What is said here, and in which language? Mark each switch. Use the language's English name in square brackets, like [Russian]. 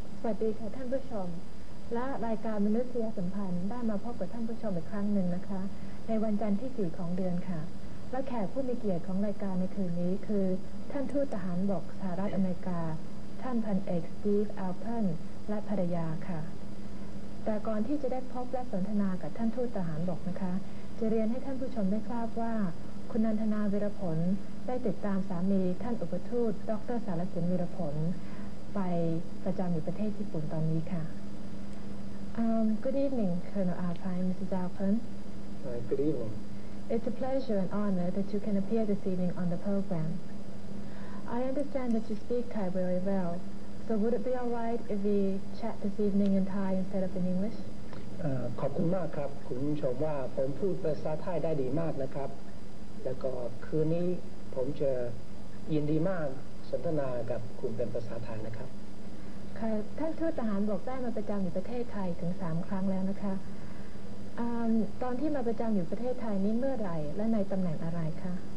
[Thai] สดีค่ะท่านผู้ชมและรายการมนุษยสัมพันธ์ได้มาพบกับท่านผู้ชมอีกครั้งหนึ่งนะคะในวันจันทร์ที่4ของเดือนค่ะและแขกผู้มีเกียรติของรายการในคืนนี้คือท่านทูตทหารบกสหรัฐอเมริกาท่านพันเอกสตีฟอัลเพิร์และภรรยาค่ะแต่ก่อนที่จะได้พบและสนทนากับท่านทูตทหารบกนะคะจะเรียนให้ท่านผู้ชมได้ทราบว่าคุณนันทนาวีรผลได้ติดตามสามีท่านอุปทูตดร. สารสินวีรผลไปประจำอยู่ประเทศญี่ปุ่นตอนนี้ค่ะ [English] Good evening, Colonel Alpine, Mrs. Alpine. Good evening. It's a pleasure and honor that you can appear this evening on the program. I understand that you speak Thai very well, so would it be all right if we chat this evening in Thai instead of in English? [Thai] ขอบคุณมากครับคุณชมว่าผมพูดภาษาไทยได้ดีมากนะครับแล้วก็คืนนี้ผมจะยินดีมากสนทนากับคุณเป็นภาษาไทยนะครับ ท่านทูตทหารบอกได้มาประจำอยู่ประเทศไทยถึง3ครั้งแล้วนะคะตอนที่มาประจำอยู่ประเทศไทยนี้เมื่อไรและในตำแหน่งอะไรคะ